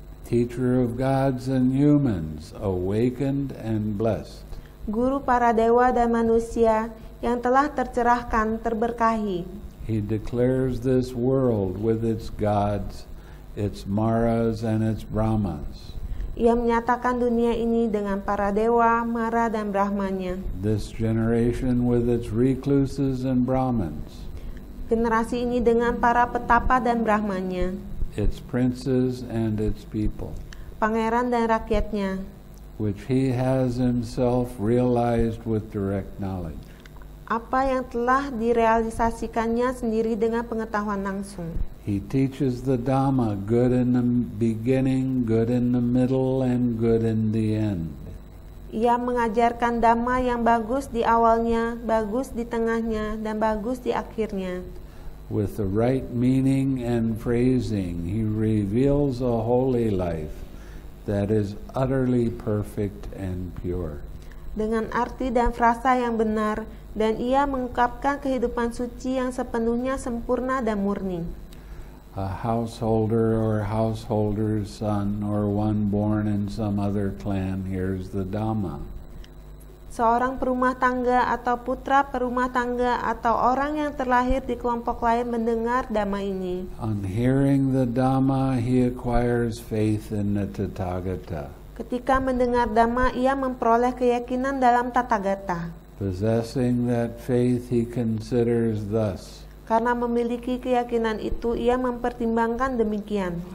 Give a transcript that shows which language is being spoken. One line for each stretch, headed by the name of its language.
English: Teacher of gods and humans, awakened and blessed.
Indonesian: Guru para dewa dan manusia yang telah tercerahkan, terberkahi.
English: He declares this world with its gods, its maras and its brahmas.
Indonesian: Ia menyatakan dunia ini dengan para dewa, mara dan brahmanya.
English: This generation with its recluses and brahmins.
Indonesian: Generasi ini dengan para petapa dan brahmanya.
English: Its princes and its people.
Indonesian: Pangeran dan rakyatnya.
English: Which he has himself realized with direct knowledge.
Indonesian: Apa yang telah direalisasikannya sendiri dengan pengetahuan langsung.
English: He teaches the Dhamma, good in the beginning, good in the middle, and good in the end.
Indonesian: Ia mengajarkan Dhamma yang bagus di awalnya, bagus di tengahnya, dan bagus di akhirnya.
English: With the right meaning and phrasing, he reveals a holy life that is utterly perfect and pure.
Indonesian: Dengan arti dan frasa yang benar, dan ia mengungkapkan kehidupan suci yang sepenuhnya sempurna dan murni.
English: A householder or householder's son or one born in some other clan hears the Dhamma.
Indonesian: Seorang perumah tangga atau putra perumah tangga atau orang yang terlahir di kelompok lain mendengar Dhamma ini.
English: On hearing the Dhamma, he acquires faith in the Tathagata.
Indonesian: Ketika mendengar Dhamma, ia memperoleh keyakinan dalam Tathagata.
English: Possessing that faith, he considers thus.
Indonesian: Karena memiliki keyakinan itu, ia mempertimbangkan demikian.